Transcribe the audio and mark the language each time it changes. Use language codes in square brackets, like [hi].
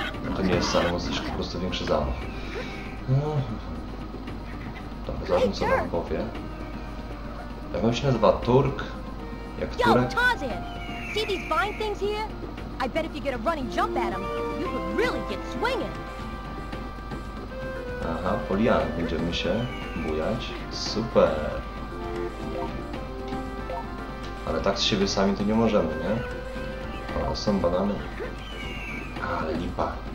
[pl] No to nie jest samo, jesteś po prostu większy zamach. Dobra, zobaczmy co wam powie. Jak on się nazywa? Turk? Jak Turek? [en] See these vine things here? I bet if you get a running jump at them, you could really get swinging. [pl] Aha, polian, będziemy się bujać. Super. Ale tak z siebie sami to nie możemy, nie? O, są banany. Ale lipa.